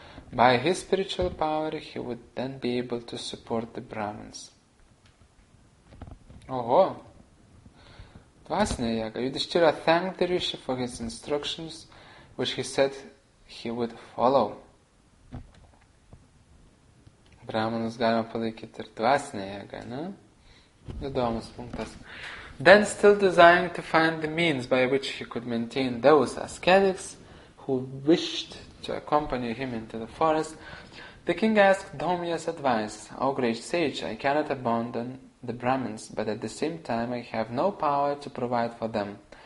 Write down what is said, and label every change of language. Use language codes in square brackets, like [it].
[en] By his spiritual power, he would then be able to support the Brahmins. [lt] Oho! Dvasinė jėga. [en] Yudhishthira thanked the Rishi for his instructions, which he said he would follow. [lt] Brahmanus galima palaikyti ir dvasinė jėga, ne? Įdomus punktas. [en] Then still desiring to find the means by which he could maintain those ascetics who wished to accompany him into the forest, the king asked Domya's advice. O great sage, I cannot abandon the Brahmins, but at the same time I have no power to provide for them.